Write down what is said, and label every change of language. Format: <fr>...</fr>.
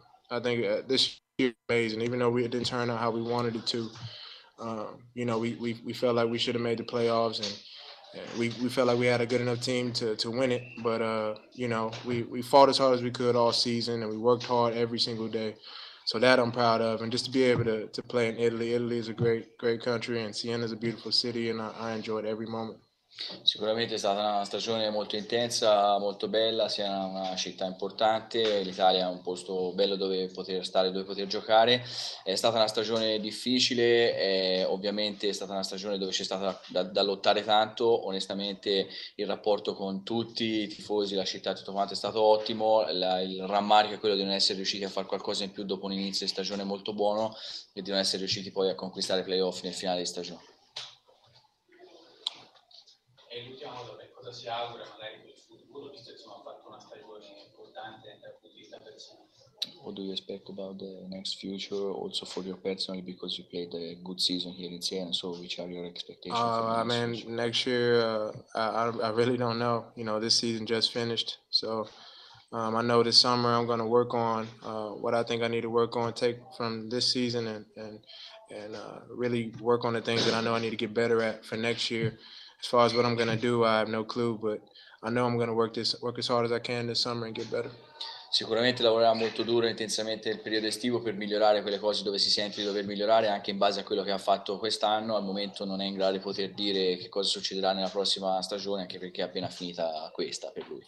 <en>I think this year is amazing. Even though it didn't turn out how we wanted it to, you know, we felt like we should have made the playoffs, and we felt like we had a good enough team to win it. But, you know, we fought as hard as we could all season, and we worked hard every single day. So that I'm proud of, and just to be able to play in Italy. Italy is a great, great country, and Siena is a beautiful city, and I enjoyed every moment.</en> <it>Sicuramente è stata una stagione molto intensa, molto bella. Siena è una città importante, l'Italia è un posto bello dove poter stare, dove poter giocare. È stata una stagione difficile, ovviamente è stata una stagione dove c'è stato da lottare tanto. Onestamente, il rapporto con tutti i tifosi, la città, tutto quanto è stato ottimo. Il rammarico è quello di non essere riusciti a fare qualcosa in più dopo un inizio di stagione molto buono e di non essere riusciti poi a conquistare i playoff nel finale di stagione. L'ultima domanda, cosa si augura magari per il futuro, visto che ha fatto una stagione importante dal punto di vista personale?</it> <en>What do you expect about the next future, also for your personally, because you played a good season here in Siena, so which are your expectations for the I next mean, future? Next year, I really don't know. You know, this season just finished, so I know this summer I'm going to work on what I think I need to work on, take from this season, and really work on the things that I know I need to get better at for next year. As far as what I'm going to do, I have no clue, but I know I'm going to work as hard as I can this summer and get better.</en> <it>Sicuramente lavorerà molto duro e intensamente nel periodo estivo per migliorare quelle cose dove si sente di dover migliorare, anche in base a quello che ha fatto quest'anno. Al momento non è in grado di poter dire che cosa succederà nella prossima stagione, anche perché è appena finita questa per lui.</it>